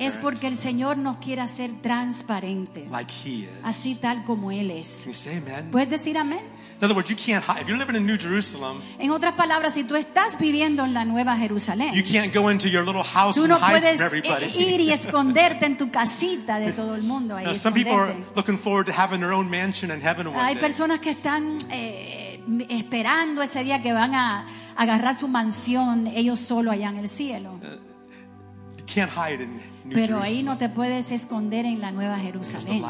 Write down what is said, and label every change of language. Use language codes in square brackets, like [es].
[es] Es porque el Señor nos quiere hacer transparente. [en] Like he is. [es] Así tal como él es. [en] Can you say amen? [es] ¿Puedes decir amén? [en] In other words, you can't hide. If you're living in New Jerusalem. [es] En otras palabras, si tú estás viviendo en la Nueva Jerusalén. [en] You can't go into your little house [es] no [en] and hide from everybody. [es] Tú no puedes ir y esconderte en tu casita de todo el mundo ahí. [en] Now, some people are looking forward to having their own mansion in heaven one [es] Hay [en] day. [es] Personas que están esperando ese día que van a agarrar su mansión ellos solo allá en el cielo. [en] Can't hide in New Jerusalem. [es] Pero ahí no te puedes esconder en la Nueva Jerusalén.